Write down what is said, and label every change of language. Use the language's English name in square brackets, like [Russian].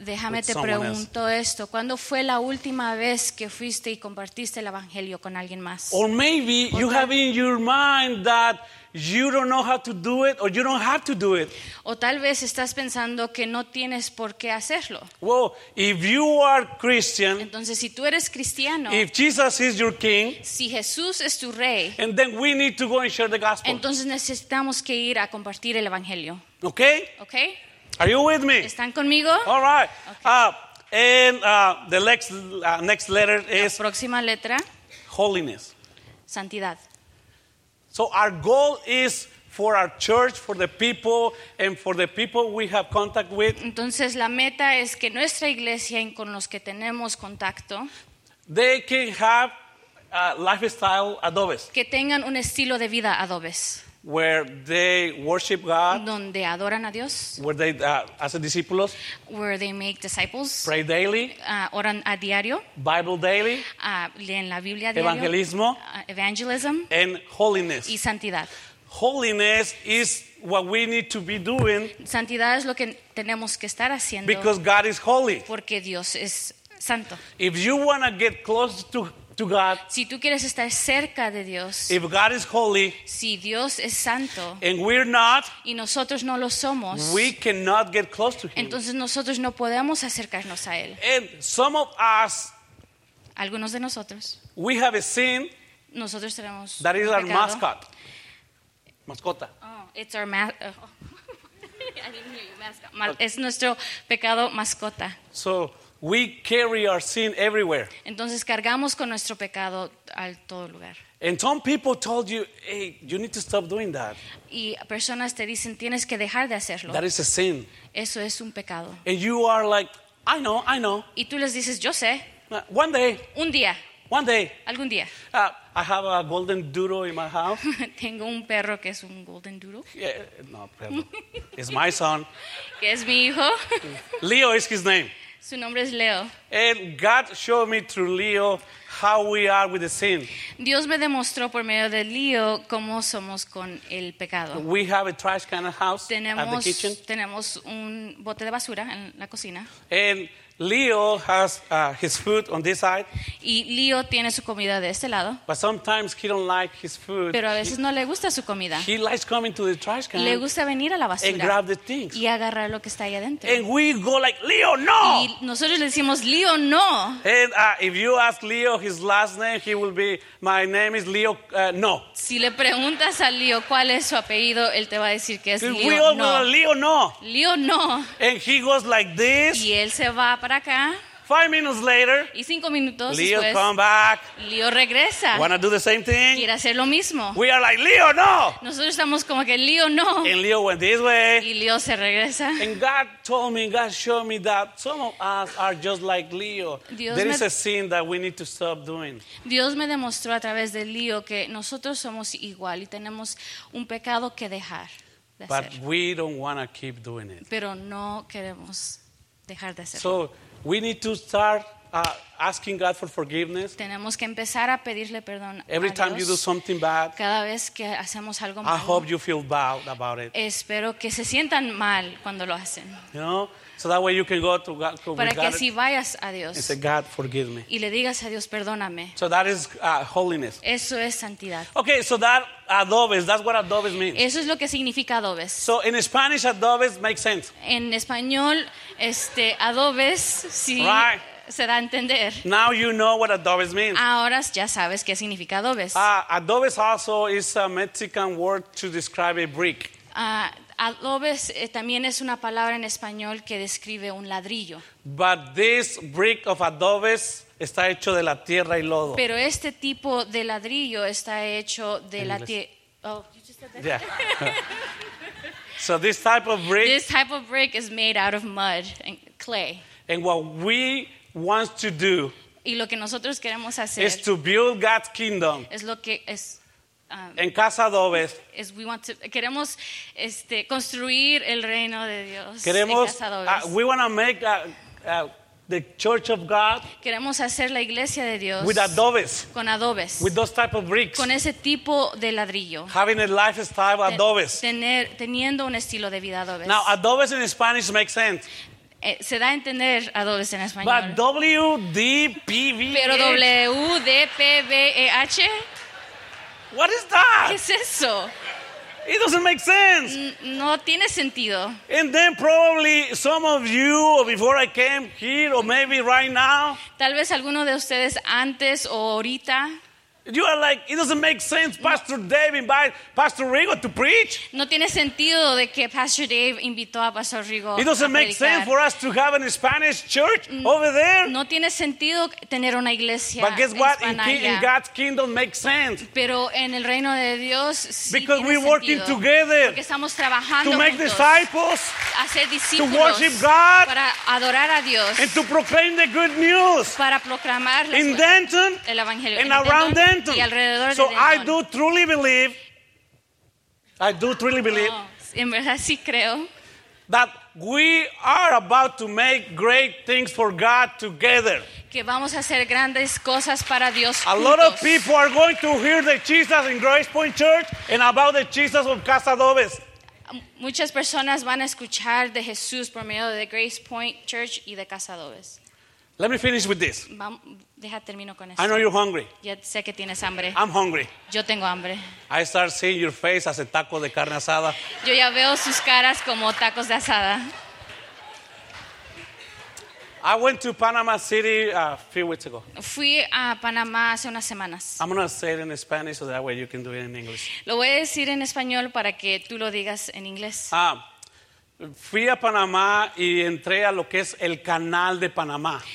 [Spanish] Déjame [English] with [Spanish] te pregunto esto. ¿Cuándo fue la última vez que fuiste y compartiste el evangelio con alguien más? [English] Or maybe you have in your mind that you don't know how to do it, or you don't have to do it. [Spanish] O tal vez estás pensando que no tienes por qué hacerlo. [English] Well, if you are Christian, [Spanish] entonces si tú eres cristiano, [English] if Jesus is your king, [Spanish] si Jesús es tu rey, [English] and then we need to go and share the gospel. [Spanish] Entonces necesitamos que ir a compartir el evangelio. [English] Okay. Okay. Are you with me? [Spanish] ¿Están conmigo? [English] All right. Okay. The next letter is [Spanish] la próxima letra. [English] Holiness. [Spanish] Santidad. [English] So our goal is for our church, for the people, and for the people we have contact with. [Spanish] Entonces la meta es que nuestra iglesia y con los que tenemos contacto, [English] they can have a lifestyle adobes. [Spanish] Que tengan un estilo de vida adobes. [English] Where they worship God. [Spanish] Donde adoran a Dios. [English] Where they [Spanish] hacen discípulos. [English] Where they make disciples. Pray daily. [Spanish] Oran a diario. [English] Bible daily. [Spanish] Leen la Biblia diario. Evangelismo. [English] Evangelism. And holiness. [Spanish] Y santidad. [English] Holiness is what we need to be doing. [Spanish] Santidad es lo que tenemos que estar haciendo. [English] Because God is holy. [Spanish] Porque Dios es santo. [English] If you want to get close to God, [Spanish] si tú quieres estar cerca de Dios, [English] if God is holy, [Spanish] si Dios es santo, [English] and we're not, [Spanish] y nosotros no lo somos, [English] we cannot get close to Him. [Spanish] Entonces nosotros no podemos acercarnos a Él. [English] And some of us, [Spanish] algunos de nosotros, [English] we have a sin, [Spanish] nosotros tenemos [English] that is [Spanish] pecado. [English] Our mascot. Mascota. Oh, it's our mascot. [Spanish] Es nuestro pecado mascota. [English] So, we carry our sin everywhere. [Spanish] Entonces cargamos con nuestro pecado al todo lugar. [English] And some people told you, hey, you need to stop doing that. [Spanish] Y personas te dicen, tienes que dejar de hacerlo. [English] That is a sin. [Spanish] Eso es un pecado. [English] And you are like, I know, I know. [Spanish] Y tú les dices, yo sé. [English] One day. [Spanish] Un día. [English] One day. [Spanish] Algún día. [English] I have a golden doodle in my house. [Spanish] Tengo un perro que es un golden doodle. [English] Yeah, no, perro. It's my son. [Spanish] Que es mi hijo. [English] Leo is his name. [Spanish] Su nombre es Leo. [English] And God showed me through Leo how we are with the sin. [Spanish] Dios me demostró por medio de Leo cómo somos con el pecado. [English] We have a trash can house [Spanish] tenemos, [English] at the kitchen. [Spanish] Tenemos un bote de basura en la cocina. [English] And Leo has his food on this side. [Spanish] Y Leo tiene su comida de este lado. [English] But sometimes he don't like his food. [Spanish] Pero a veces no le gusta su comida. [English] He likes coming to the trash can. [Spanish] Le gusta venir a la basura. [English] And grab the things. [Spanish] Y agarrar lo que está ahí adentro. [English] And we go like, Leo, no! [Spanish] Y nosotros le decimos, Leo, no! [English] And if you ask Leo his last name, he will be, my name is Leo, no. [Spanish] Si le preguntas a Leo cuál es su apellido, él te va a decir que es Leo, [English] we all [Spanish] no. [English] Go, Leo, no! [Spanish] Leo, no! [English] And he goes like this. [Spanish] Y él se va para acá. [English] 5 minutes later, [Spanish] y 5 minutos Leo después, [English] come back. [Spanish] Leo regresa. [English] Wanna do the same thing? [Spanish] Quiere hacer lo mismo. [English] We are like, Leo, no! [Spanish] Nosotros estamos como que Leo, no. [English] And Leo went this way. [Spanish] Y Leo se regresa. [English] And God told me, God showed me that some of us are just like Leo. [Spanish] Dios [English] there [Spanish] me, [English] is a sin that we need to stop doing. [Spanish] Dios me demostró a través de Leo que nosotros somos igual y tenemos un pecado que dejar de [English] but [Spanish] hacer. [English] We don't want to keep doing it. [Spanish] Pero no queremos dejar de hacerlo. [English] So, we need to start asking God for forgiveness. [Spanish] Tenemos que empezar a pedirle perdón. [English] Every [Spanish] a [English] time [Spanish] Dios, [English] you do something bad, [Spanish] cada vez que hacemos algo [English] malo, I hope you feel bad about it. [Spanish] Espero que se sientan mal cuando lo hacen. [English] You know, so that way you can go to God. To [Spanish] para que [English] God [Spanish] así vayas a Dios. [English] And say, God, forgive me. [Spanish] Y le digas a Dios, perdóname. [English] So that is holiness. [Spanish] Eso es santidad. [English] Okay, so that adobes. That's what adobes means. [Spanish] Eso es lo que significa adobes. [English] So in Spanish, adobes makes sense. [Spanish] En español, adobes sí. [English] Right. [Spanish] Se da a entender. [English] Now you know what adobes means. [Spanish] Ahora ya sabes qué significa adobes. [English] Adobes also is a Mexican word to describe a brick. [Spanish] Adobes también es una palabra en español que describe un ladrillo. [English] But this brick of adobes [Spanish] está hecho de la tierra y lodo. Pero este tipo de ladrillo está hecho de la tierra. [English] Oh, you just said that. Yeah. So this type of brick. This type of brick is made out of mud and clay. And what we wants to do, [Spanish] y lo que nosotros queremos hacer, [English] is to build God's kingdom. [Spanish] Es lo que es, en casa adobes. [English] Is we want to, [Spanish] queremos construir el reino de Dios. Queremos, en casa adobes. [English] We want to make the church of God. [Spanish] Queremos hacer la iglesia de Dios. [English] With adobes. [Spanish] Con adobes. [English] With those type of bricks. [Spanish] Con ese tipo de ladrillo. [English] Having a lifestyle adobes. [Spanish] Teniendo un estilo de vida adobes. [English] Now adobes in Spanish makes sense. [Spanish] Se da a entender adobes en español. [English] But W-D-P-V-H. [Spanish] Pero W-D-P-V-E-H. [English] What is that? [Spanish] ¿Qué es eso? [English] It doesn't make sense. [Spanish] No tiene sentido. [English] And then probably some of you, or before I came here, or maybe right now. [Spanish] Tal vez alguno de ustedes antes o ahorita. [English] You are like, it doesn't make sense, Pastor Dave invited Pastor Rigo to preach. [Spanish] No tiene sentido de que Pastor Dave invitó a Pastor Rigo. [English] It doesn't make sense for us to have a Spanish church over there. [Spanish] No tiene sentido tener una iglesia. [English] But guess what? In God's kingdom makes sense. [Spanish] Pero en el reino de Dios sí tiene [English] because we're [Spanish] sentido. [English] Working together. [Spanish] Porque estamos trabajando [English] to make [Spanish] juntos. [English] Disciples. [Spanish] Hacer discípulos. [English] To worship God. [Spanish] Para adorar a Dios. [English] And to proclaim the good news. [Spanish] Para proclamar [English] in Denton. [Spanish] El evangelio. [English] And around Denton. [Spanish] Y alrededor de Denton. [English] I do truly believe [Spanish] en verdad sí creo [English] that we are about to make great things for God together. [Spanish] Que vamos a hacer grandes cosas para Dios juntos. [English] A lot of people are going to hear the Jesus in Grace Point Church and about the Jesus of Casa Adobes. [Spanish] Muchas personas van a escuchar de Jesús por medio de Grace Point Church y de Casa Adobes. [English] Let me finish with this. [Spanish] Deja, termino con [English] esto. I know you're hungry. [Spanish] Ya sé que tienes hambre. [English] I'm hungry. [Spanish] Yo tengo hambre. [English] I start seeing your face as a [Spanish] taco de carne asada. Yo ya veo sus caras como tacos de asada. [English] I went to Panama City a few weeks ago. [Spanish] Fui a Panamá hace unas semanas. [English] I'm going to say it in Spanish so that way you can do it in English. [Spanish] Lo voy a decir en español para que tú lo digas en inglés. Fui a Panamá y entré a lo que es el canal de Panamá.